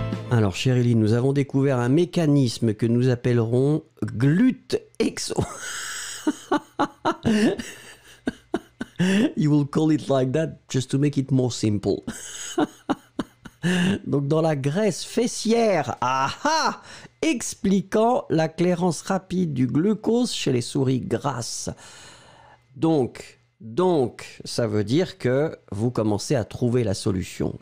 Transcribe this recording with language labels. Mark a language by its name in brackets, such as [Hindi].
[French] Alors, Chérilyn, nous avons découvert un mécanisme que nous appellerons glute exo. [English] You will call it like that just to make it more simple. [French] Donc dans la graisse fessière, aha, expliquant la clairance rapide du glucose chez les souris grasses. Donc ça veut dire que vous commencez à trouver la solution.